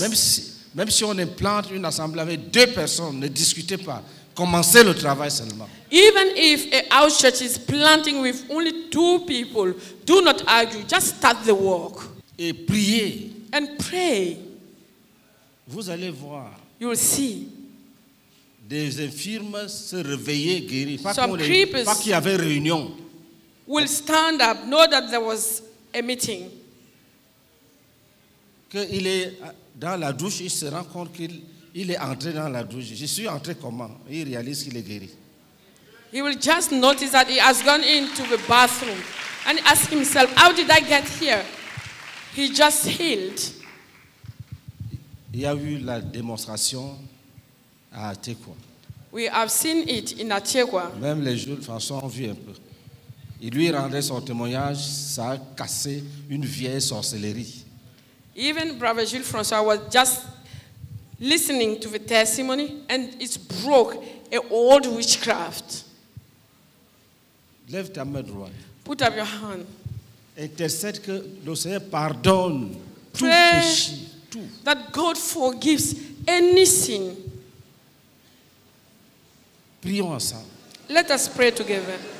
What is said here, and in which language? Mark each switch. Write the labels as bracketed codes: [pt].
[fr] Même si on implante une assemblée avec deux personnes, ne discutez pas. Commencez le travail seulement. [en] Even if a house church is planting with only two people, do not argue, just start the work. [fr] Et priez. [en] And pray. [fr] Vous allez voir. [en] You will see. [fr] des infirmes se réveillaient guéris. Pas qu'il y avait réunion. [en] Will stand up, know that there was a meeting. [fr] Qu'il est dans la douche, il se rend compte qu'il est entré dans la douche. Je suis entré comment? Il réalise qu'il est guéri. [en] He will just notice that he has gone into the bathroom and ask himself, how did I get here? He just healed. [fr] Il y a eu la démonstration à Atekwa. [en] We have seen it in Atekwa. [fr] Même les jeunes, François, ont vu un peu. Il lui rendait son témoignage, ça a cassé une vieille sorcellerie. [en] Even Brother Jules François was just listening to the testimony and it broke an old witchcraft. [fr] Lève ta main droite. [en] Put up your hand. [fr] Intercède que le Seigneur pardonne tout péché, tout. [en] That God forgives any sin. [fr] Prions ensemble. [en] Let us pray together.